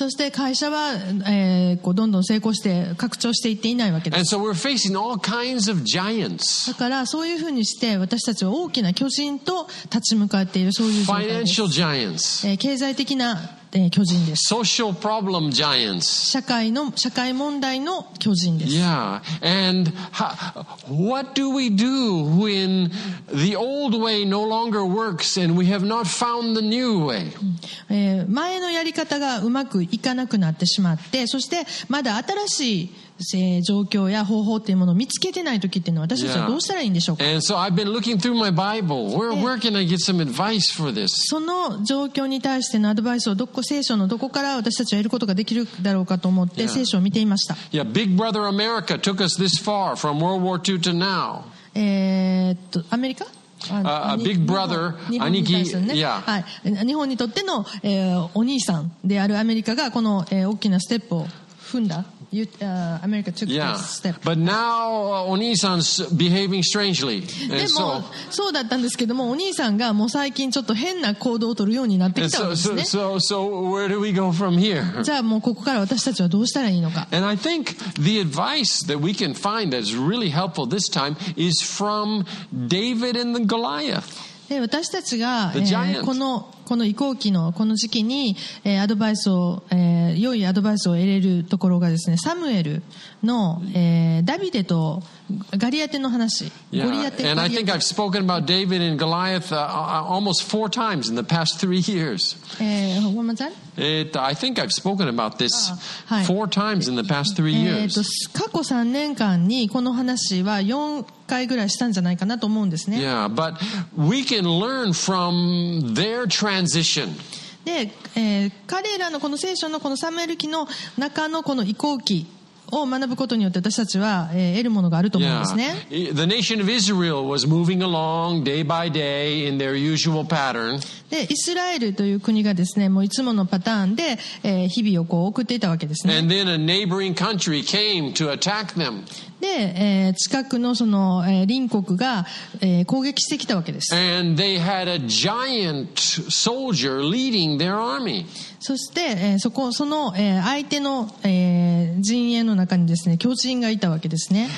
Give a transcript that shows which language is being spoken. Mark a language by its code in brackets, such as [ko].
[ja] そして会社は、こうどんどん成功して拡張していっていないわけです。 [en] And so we're facing all kinds of giants. [ja] だからそういうふうにして私たちは大きな巨人と立ち向かっているそういう状態です。 [en] Financial giants. [ja] 経済的な巨人です。 [en] Social problem giants. [ja] 社会問題の巨人です。 [en] Yeah. And what do we do when the old way no longer works and we have not found the new way? [ja] 前のやり方がうまくいかなくなってしまって、そしてまだ新しい状況や方法というものを見つけてない時というのは私たちはどうしたらいいんでしょうか。 [en] Yeah. And so I've been looking through my Bible. Where can I get some advice for this? [ja] その状況に対してのアドバイスをどこ聖書のどこから私たちは得ることができるだろうかと思って聖書を見ていました。 [en] Yeah. Yeah, Big Brother America took us this far from World War II to now. [ja] アメリカ？ [en] A big brother, 兄貴、 [ja] はい、日本にとっての、お兄さんであるアメリカがこの、大きなステップを踏んだ。 [en] America took yeah. this step. But now, お兄さん's behaving strangely. [ja] でも、そうだったんですけども、お兄さんがもう最近ちょっと変な行動を取るようになってきたんですね。 [en] So, where do we go from here? [ja] じゃあもうここから私たちはどうしたらいいのか。 [en] And I think the advice that we can find that's really helpful this time is from David and the Goliath. [ja] で、私たちが、この移行期のこの時期に、アドバイスを、良いアドバイスを得れるところがですね、サムエルの、ダビデとガリアテの話。 [en] Yeah. And I think I've spoken about David and Goliath almost four times in the past three years. One more time? I think I've spoken about this four times in the past three years. [ja] 過去3年間にこの話は4回ぐらいしたんじゃないかなと思うんですね。 [en] Yeah, but we can learn from their transition. [ja] で、彼らのこの聖書のこのサムエル記の中のこの移行期を学ぶことによって私たちは得るものがあると思うんですね。 [en] Yeah. The nation of Israel was moving along day by day in their usual pattern. [ja] で、イスラエルという国がですね、もういつものパターンで、日々をこう送っていたわけですね。 [en] And then a neighboring country came to attack them. [ja] で、近くのその、隣国が、攻撃してきたわけです。 [en] And they had a giant soldier leading their army. [ja] そして、そこその、相手の、陣営の中にですね、巨人がいたわけですね。